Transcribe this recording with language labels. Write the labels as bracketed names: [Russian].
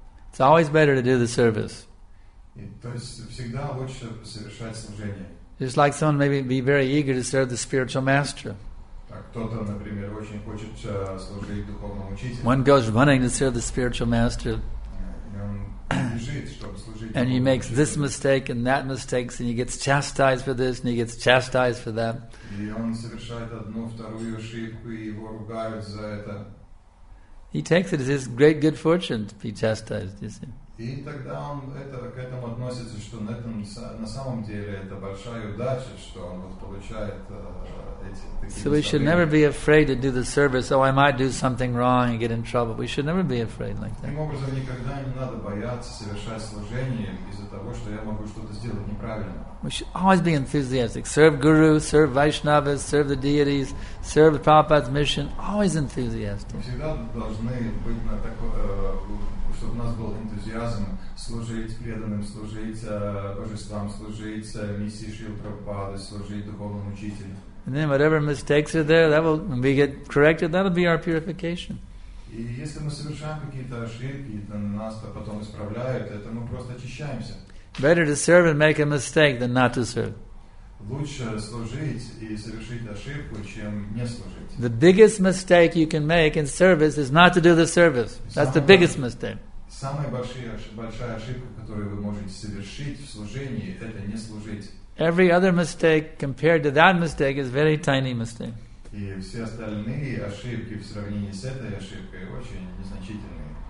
[English] It's always better to do the service. [Russian] То есть всегда лучше совершать служение. [English] Just like someone maybe be very eager to serve the spiritual master. [Russian] Кто-то, например, очень хочет служить духовному учителю. [English] One goes running to serve the spiritual master. [Russian] Бежит, чтобы служить. [English] And he makes this mistake and that mistakes, and he gets chastised for this and he gets chastised for that. [Russian] И он совершает одну, вторую ошибку, и его ругают за это. [English] He takes it as his great good fortune to be chastised, you see. [Russian] И тогда он к этому относится, что на самом деле это большая удача, что он получает эти. [English] So we should never be afraid to do the service. Oh, I might do something wrong and get in trouble. We should never be afraid like that. [Russian] Таким образом, никогда не надо бояться совершать служение из-за того, что я могу что-то сделать неправильно. [English] We should always be enthusiastic. Serve Guru, serve Vaishnavas, serve the deities, serve the Prabhupada's mission. Always enthusiastic. [Russian] Всегда должны быть на такой. Чтобы у нас был энтузиазм служить преданным, служить божествам, служить миссии Шрилы Прабхупады, служить духовному учителю. [English] And then whatever mistakes are there, that will, when we get corrected, that will be our purification. [Russian] И если мы совершаем какие-то ошибки, то нас потом исправляют, это мы просто очищаемся. [English] Better to serve and make a mistake than not to serve. [Russian] Лучше служить и совершить ошибку, чем не служить. [English] The biggest mistake you can make in service is not to do the service. That's the biggest mistake. [Russian] Самая большая ошибка, которую вы можете совершить в служении, это не служить. [English] Every other mistake compared to that mistake is very tiny mistake. [Russian] И все остальные ошибки в сравнении с этой ошибкой очень незначительные.